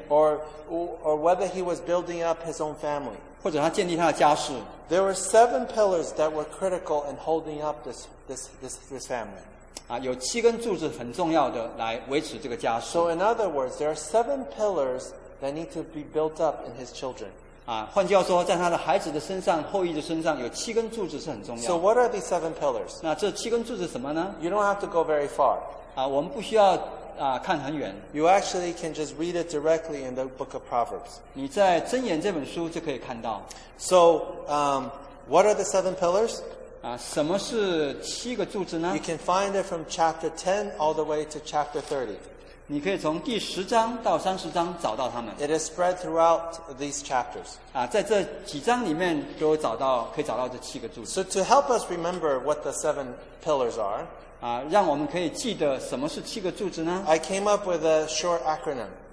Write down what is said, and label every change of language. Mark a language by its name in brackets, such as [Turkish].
[English] or whether he was building up his own family, [Chinese] 或者他建立他的家室, [English] there were seven pillars that were critical in holding up this family. [Chinese] 有七根柱子很重要的来维持这个家室。 [English] So in other words, there are seven pillars that need to be built up in his children. [Chinese] 换句话说,在他的孩子的身上,后裔的身上,有七根柱子是很重要的。 [English] So what are these seven pillars? [Chinese] 那这七根柱子什么呢? [English] You don't have to go very far. [Chinese] 我们不需要看很远。 [English] You actually can just read it directly in the book of Proverbs. [Chinese] 你在箴言这本书就可以看到。 [English] So, what are the seven pillars? [Chinese] 什么是七个柱子呢? [English] You can find it from chapter 10 all the way to chapter 30. [Chinese] 你可以从第十章到30章找到他们。 [English] It is spread throughout these chapters. [Chinese] 在这几章里面都可以找到这七个柱子。 [English] So to help us remember what the seven pillars are, [Chinese] 让我们可以记得什么是七个柱子呢? [English] I came up with a short acronym.